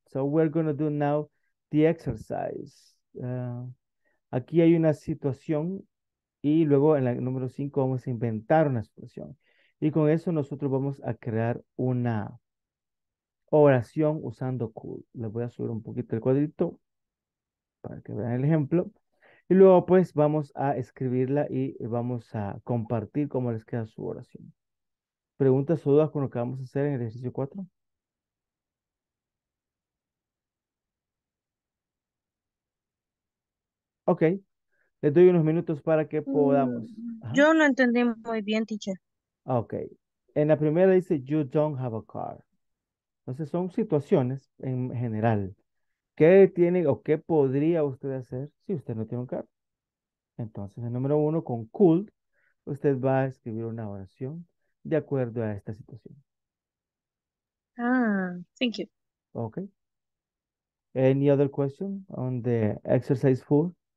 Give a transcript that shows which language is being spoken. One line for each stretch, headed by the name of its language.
English: So we're going to do now the exercise.
Spanish: Aquí hay una situación y luego en la número 5 vamos a inventar una situación. Y con eso nosotros vamos a crear una oración usando could. Les voy a subir un poquito el cuadrito para que vean el ejemplo. Y luego pues vamos a escribirla y vamos a compartir cómo les queda su oración. ¿Preguntas o dudas con lo que vamos a hacer en el ejercicio 4? Ok. Les doy unos minutos para que podamos. Ajá. Yo no entendí muy bien, teacher. Ok. En la primera dice,
English: you don't have a car.
Spanish: Entonces son situaciones en general. ¿Qué tiene o qué podría usted hacer si usted no tiene un carro? Entonces, el número 1, con could, usted va a escribir una oración de acuerdo a esta situación.
English: Ah, thank you. Okay. Any other question on the exercise 4?